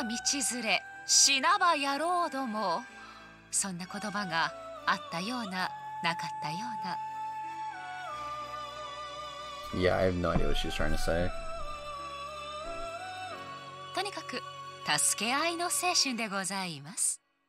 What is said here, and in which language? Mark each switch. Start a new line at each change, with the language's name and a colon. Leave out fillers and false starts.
Japanese: 確か、旅は道連れ、死なば野郎ども。そんな言葉があったような、なかったような。
English: Yeah, I have no idea what she's trying to say.
Japanese: とにかく、助け合いの精神でございます。